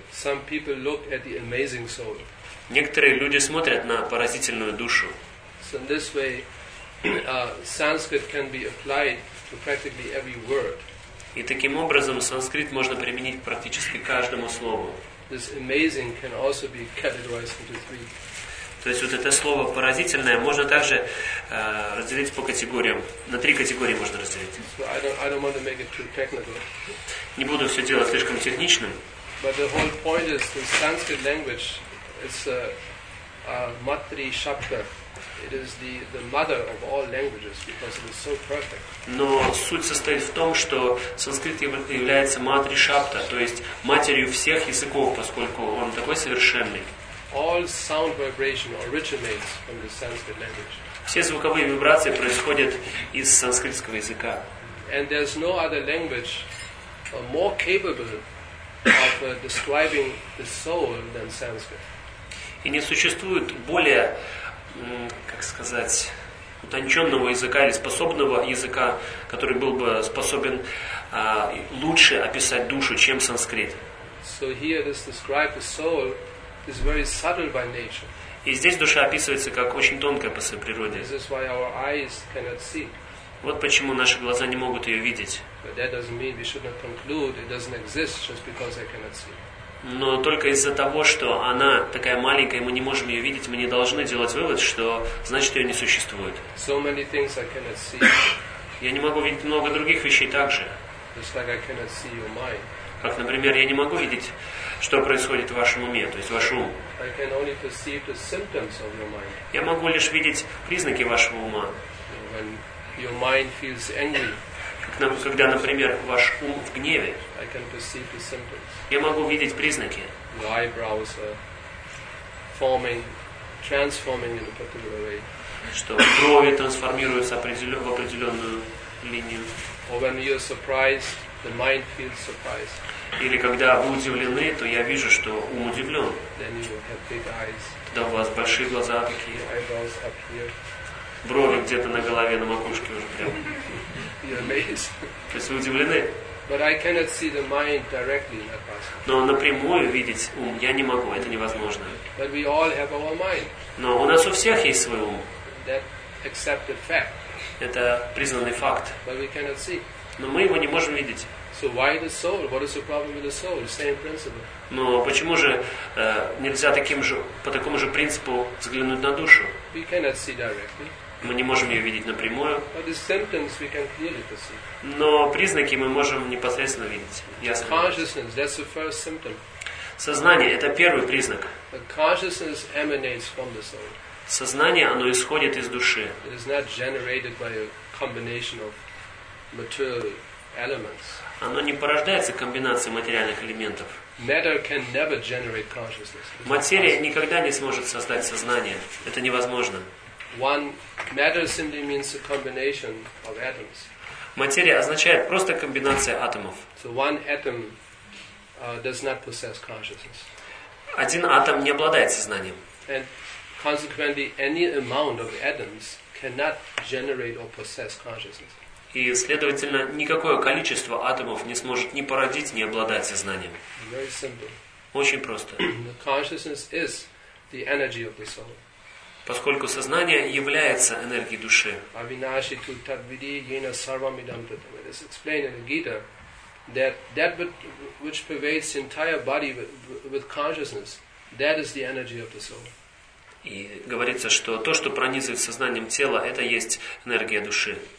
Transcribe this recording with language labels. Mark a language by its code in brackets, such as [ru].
[en] Some people look at the amazing soul. [ru] Некоторые люди смотрят на поразительную душу. [en] So in this way, Sanskrit can be applied to practically every word. [ru] И таким образом санскрит можно применить к практически каждому слову. [en] This amazing can also be categorized into three. [ru] То есть вот это слово поразительное можно также разделить по категориям. На три категории можно разделить. [en] So I don't want to make it too technical. [ru] Не буду все делать слишком техничным. [en] But the whole point is the Sanskrit language. It's a matri shabda. It is the mother of all languages because it is so perfect. [ru] Но суть состоит в том, что санскрит является матри шабда, то есть матерью всех языков, поскольку он такой совершенный. [en] All sound vibration originates from the Sanskrit language. [ru] Все звуковые вибрации происходят из санскритского языка. [en] And there's no other language more capable of describing the soul than Sanskrit. [ru] И не существует более, как сказать, утонченного языка или способного языка, который был бы способен лучше описать душу, чем санскрит. [en] So here it is described, the soul is very subtle by nature. [ru] И здесь душа описывается как очень тонкая по своей природе. [en] This is why our eyes cannot see. [ru] Вот почему наши глаза не могут ее видеть. [en] But that doesn't mean we should not conclude it doesn't exist just because they cannot see. [ru] Но только из-за того, что она такая маленькая, мы не можем ее видеть, мы не должны делать вывод, что значит, ее не существует. [en] So many things I cannot see. [ru] Я не могу видеть много других вещей также. [en] Just like I cannot see your mind. [ru] Как, например, я не могу видеть, что происходит в вашем уме, то есть ваш ум. [en] I can only perceive the symptoms of your mind. [ru] Я могу лишь видеть признаки вашего ума. [en] When your mind feels angry. [ru] Когда, например, ваш ум в гневе, [en] I can perceive the symptoms. [ru] Я могу видеть признаки. [en] Your eyebrows are forming, transforming in a particular way. [ru] Что брови трансформируются в определенную линию. [en] Or when you are surprised, the mind feels surprised. [ru] Или когда вы удивлены, то я вижу, что ум удивлен. [en] Then you have big eyes. [ru] Тогда у вас большие глаза такие. [en] Your eyebrows up here. [ru] Брови где-то на голове, на макушке уже прямо. То есть вы удивлены? [en] But I cannot see the mind directly, not possible. [ru] Но напрямую видеть ум я не могу, это невозможно. [en] But we all have our mind. [ru] Но у нас у всех есть свой ум. [en] That accepted fact. [ru] Это признанный факт. [en] But we cannot see. [ru] Но мы его не можем видеть. [en] So why the soul? What is the problem with the soul? Same principle. [ru] Но почему же нельзя таким же, по такому же принципу взглянуть на душу? [en] We cannot see directly. [ru] Мы не можем ее видеть напрямую. [en] But the symptoms we can clearly perceive. [ru] Но признаки мы можем непосредственно видеть. Ясно. [en] Consciousness, that's the first symptom. [ru] Сознание – это первый признак. [en] The consciousness emanates from the soul. [ru] Сознание, оно исходит из души. [en] It is not generated by a combination of material elements. [ru] Оно не порождается комбинацией материальных элементов. [en] Matter can never generate consciousness. [ru] Материя никогда не сможет создать сознание. Это невозможно. [en] One matter simply means a combination of atoms. [ru] Материя означает просто комбинация атомов. [en] So one atom does not possess consciousness. [ru] Один атом не обладает сознанием. [en] And consequently, any amount of atoms cannot generate or possess consciousness. [ru] И следовательно, никакое количество атомов не сможет ни породить, ни обладать сознанием. [en] Very simple. [ru] Очень просто. [en] The consciousness is the energy of the soul. [ru] поскольку сознание является энергией души. [sa] Avinashi tu tadvidi yena sarvamidam tatam. [en] It is explained in the Gita that that which pervades the entire body with consciousness, that is the energy of the soul. [ru] И говорится, что то, что пронизывает сознанием тела, это есть энергия души.